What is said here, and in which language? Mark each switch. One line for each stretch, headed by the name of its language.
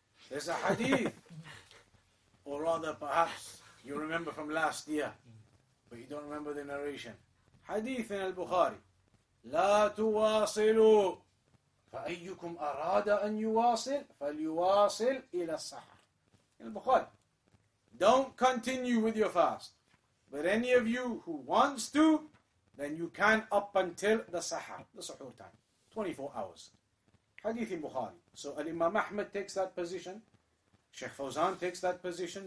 English: There's a hadith, or rather perhaps you remember from last year but you don't remember the narration. Hadith in al-Bukhari,
Arabic: لا تواصلوا فأيكم أراد أن يواصل فليواصل إلى السحر.
English: In al-Bukhari, don't continue with your fast, but any of you who wants to, then you can up until the sahar, the suhoor time, 24 hours. Hadith in Bukhari. So Al-Imam Ahmed takes that position. Sheikh Fawzan takes that position.